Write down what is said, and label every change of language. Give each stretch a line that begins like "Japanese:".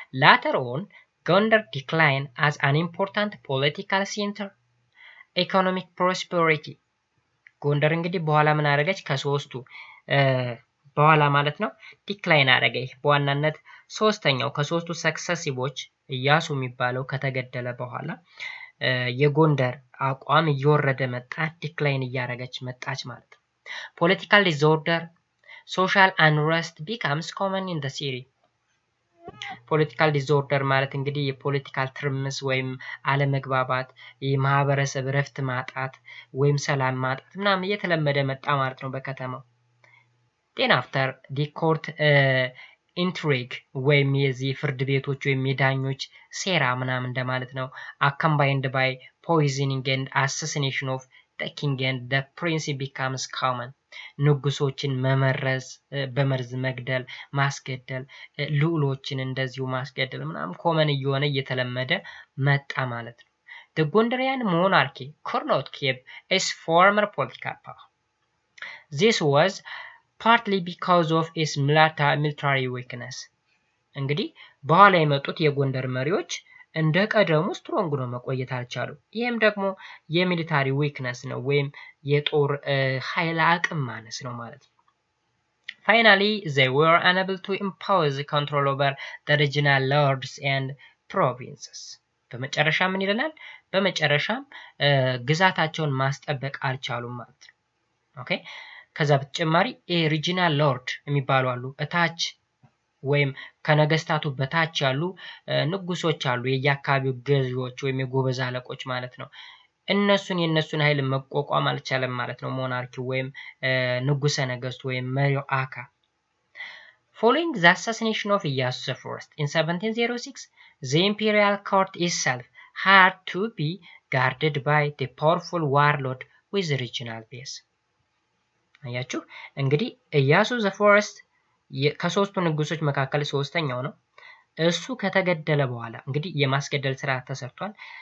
English: Later on, Gondar declined as an important political center. Economic prosperity.
Amharic: Gondar እንግዲህ በኋላ ምን አረገች? ከሶስቱ በኋላ ማለት ነው decline አረገች. በኋላነት ሶስተኛው ከሶስቱ successiveዎች ያሱ የሚባለው ከተገደለ በኋላ የጎንደር አቋም እየወረደ መጣ. decline ያረገች መጣች ማለት ነው.
English: Political disorder, social unrest becomes common in the city.
Amharic: Political disorder ማለት እንግዲህ የፖለቲካል ትርምስ ወይም አለመግባባት የማህበረሰብ ረፍት ማጣት ወይም ሰላም ማጣት እናም እየተለመደ መጣ ማለት ነው በከተማው.
English: Then after the court intrigue
Amharic: ወይም የዚህ ፍርድ ቤቶች ወይም የዳኞች ሴራ ምናምን እንደማለት ነው
English: accompanied by poisoning and assassination of the king and the prince becomes common.
Amharic: ንጉሶችን መመረዝ በመርዝ መግደል ማስገደል ልዑሎችን እንደዚሁ ማስገደል ምናም ኮመን እየሆነ እየተለመደ መጣ ማለት ነው.
English: The Gondarian monarchy could not keep its former political power. This was partly because of its military weakness.
Amharic: እንግዲህ በኋላ የመጡት የጎንደር መሪዎች እንደ ቀደሙ ስትሮንግ ነው መቆየት አልቻሉ. ይሄም ደግሞ የሚሊታሪ ዊክነስ ነው ወይም የጦር ኃይል አቅም ማነስ ነው ማለት ነው.
English: Finally, they were unable to impose control over the regional lords and provinces.
Amharic: በመጨረሻ ምን ይላል? በመጨረሻም ግዛታቸውን ማስጠበቅ አልቻሉ ማለት ነው. ኦኬ? ከዛ በተጨማሪ ሪጂናል ሎርድ የሚባሉ አሉ እታች ወይም ከነገስታቱ በታች ያሉ ንጉሶች አሉ የያካቢው ገዥዎች ወይም የጎበዝ አለቆች ማለት ነው. እነሱን የነሱን ኃይል መቆቋም አልቻለም ማለት ነው ሞናርኪ ወይም ንጉሰ ነገስት ወይም መሪው አካ.
English: Following the assassination of Iyasu the First in 1706, the imperial court itself had to be guarded by the powerful warlord with regional base.
Amharic: አያችሁ እንግዲህ Iyasu the First ከሶስቱ ንጉሶች መካከል ሶስተኛው ነው. እሱ ከተገደለ በኋላ እንግዲህ የማስገደል ስራ ተሰርቷል.